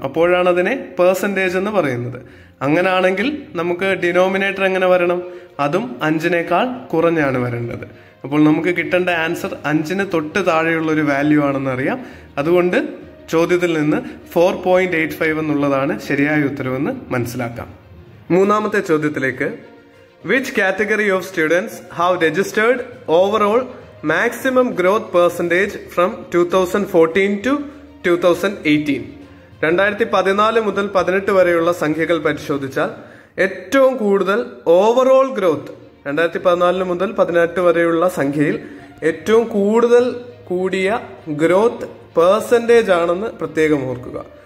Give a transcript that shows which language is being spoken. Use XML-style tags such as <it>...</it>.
<ml>അപ്പോഴാണ് അതിനെ പെർസെൻറ്റേജ് എന്ന് പറയുന്നത്. അങ്ങനെയാണെങ്കിൽ നമുക്ക് ഡിനോമിനേറ്റർ എങ്ങനെ വരണം? അതും 5 കുറഞ്ഞാണ് വരേണ്ടത്. അപ്പോൾ നമുക്ക് കിട്ടേണ്ട ആൻസർ 5 തൊട്ട് താഴെയുള്ള ഒരു വാല്യൂ ആണെന്നറിയാം. അതുകൊണ്ട് ചോദ്യത്തിൽ നിന്ന് 4.85 എന്നുള്ളതാണ് ശരിയായ ഉത്തരവെന്ന് മനസ്സിലാക്കാം. മൂന്നാമത്തെ ചോദ്യത്തിലേക്ക്.</ml> <en>Which category of students have registered overall maximum growth percentage from 2014-2018?</en> <ml>2014 മുതൽ 18 വരെയുള്ള സംഖ്യകൾ പരിശോധിച്ചാൽ ഏറ്റവും കൂടുതൽ ഓവറോൾ ഗ്രോത്ത്, 2014 മുതൽ 18 വരെയുള്ള സംഖ്യയിൽ ഏറ്റവും കൂടുതൽ കൂടിയ ഗ്രോത്ത് പെർസെൻറ്റേജ് ആണെന്ന് പ്രത്യേകം ഓർക്കുക.</ml>